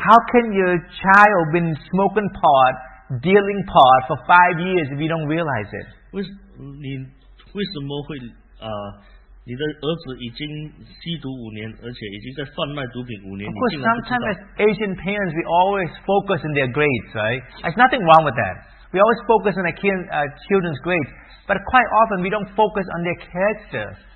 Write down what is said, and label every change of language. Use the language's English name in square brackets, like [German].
[English] How can your child been smoking pot, dealing pot for 5 years if you don't realize it? [Chinese] 你为什么会，你的儿子已经吸毒5年，而且已经在贩卖毒品5年？ [English] Of course, sometimes as Asian parents, we always focus on their grades, right? There's nothing wrong with that. We always focus on children's grades, but quite often we don't focus on their character.